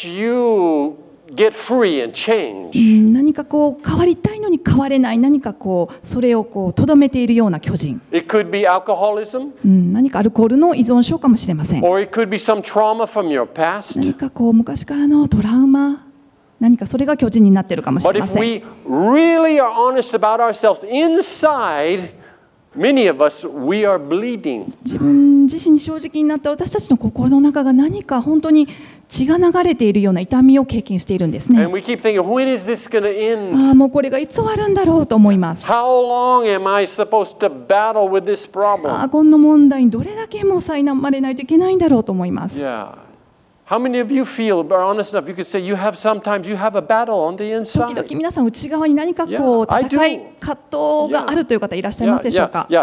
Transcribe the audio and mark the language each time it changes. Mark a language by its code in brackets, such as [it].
[en] That won't let you get free and change. [ja] 何かこう変わりたいのに変われない、何かこうそれをこうとどめているような巨人。 [en] It could be alcoholism. [ja] 何かアルコールの依存症かもしれません。 [en] Or it could be some trauma from your past. [ja] 何かこう昔からのトラウマ、何かそれが巨人になっているかもしれません。 [en] But if we really are honest about ourselves inside, many of us, we are bleeding. [ja] 自分自身に正直になった私たちの心の中が何か本当に血が流れているような痛みを経験しているんですね。 [en] And we keep thinking, when is this gonna end? [ja] ああ、もうこれがいつ終わるんだろうと思います。 [en] How long am I supposed to battle with this problem? [ja] ああ、この問題にどれだけも苛まれないといけないんだろうと思います。 [en] Yeah. How many of you feel, or honest enough, you could say you have sometimes you have a battle on the inside? [ja] 時々皆さん内側に何かこう戦い、葛藤があるという方いらっしゃいますでしょうか。